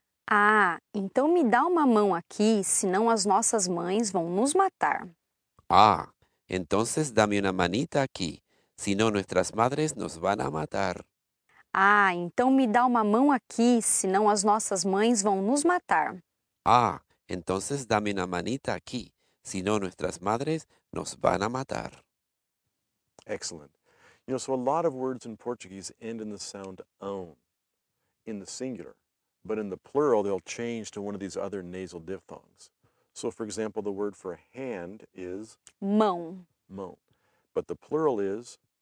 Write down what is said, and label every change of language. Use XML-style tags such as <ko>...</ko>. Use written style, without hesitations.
<pt>Ah, então me dá uma mão aquí, senão as nossas mães vão nos matar.</pt> <es>Ah, entonces dame una manita aquí, sino nuestras madres nos van a matar.</es> <pt>Ah, então me dá uma mão aquí, senão as nossas mães vão nos matar.</pt> <es>Ah, entonces dame una manita aquí, si no nuestras madres nos van a matar.</es> <en>Excellent. You know, so a lot of words in Portuguese end in the sound own, in the singular. But in the plural, they'll change to one of these other nasal diphthongs. So, for example, the word for hand is?</en> <pt>Mão.</pt> <en>Mão. But the plural is?</en>